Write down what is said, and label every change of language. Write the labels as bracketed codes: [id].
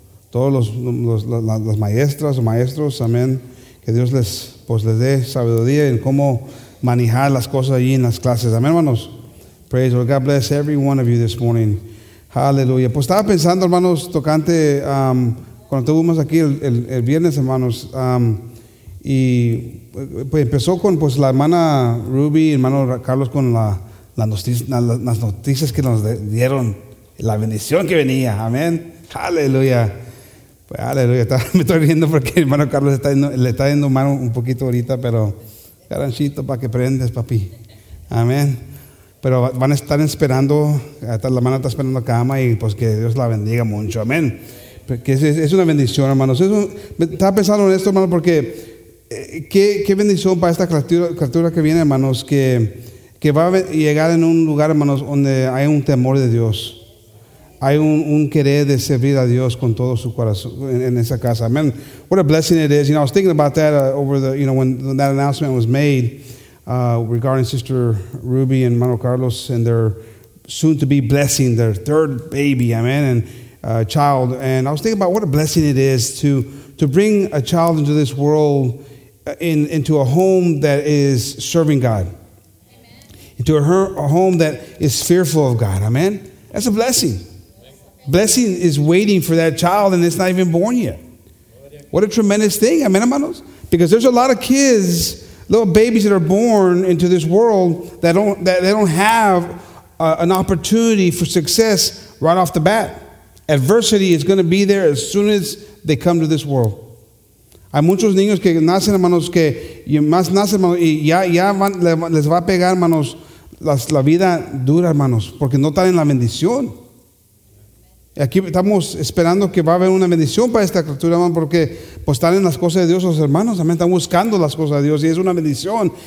[es] Todos las maestras o maestros, amén, que Dios les dé sabiduría en cómo manejar las cosas allí en las clases, amén, hermanos. [en] Praise the Lord, God bless every one of you this morning. Hallelujah. [es] Pues estaba pensando, hermanos, tocante cuando estuvimos aquí el viernes, hermanos, y pues empezó con pues la hermana Ruby, hermano Carlos, con las noticias que nos dieron, la bendición que venía, amén. Aleluya, pues, aleluya. Me estoy riendo porque el hermano Carlos le está yendo mal un poquito ahorita, pero caranchito, para que prendes, papi. Amén. Pero van a estar esperando, hasta la mano está esperando acá, y pues que Dios la bendiga mucho, amén. Porque es una bendición, hermanos. Estaba pensando en esto, hermano, porque qué bendición para esta criatura que viene, hermanos, que va a llegar en un lugar, hermanos, donde hay un temor de Dios. Hay un querer de servir a Dios con todo su corazón en esa casa. [en] Amen. What a blessing it is. You know, I was thinking about that when that announcement was made regarding Sister Ruby and Mano Carlos and their soon-to-be blessing, their third baby, amen, and child. And I was thinking about what a blessing it is to bring a child into this world into a home that is serving God. Amen. Into a home that is fearful of God. Amen. That's a blessing. Blessing is waiting for that child, and it's not even born yet. What a tremendous thing, amen, hermanos? Because there's a lot of kids, little babies that are born into this world that don't have an opportunity for success right off the bat. Adversity is going to be there as soon as they come to this world. [es] Hay muchos niños que nacen, hermanos, que más nacen, hermanos, y ya van, les va a pegar, hermanos, la vida dura, hermanos, porque no están en la bendición. Aquí estamos esperando que va a haber una bendición para esta criatura, hermano, porque pues están en las cosas de Dios los hermanos, también están buscando las cosas de Dios y es una bendición.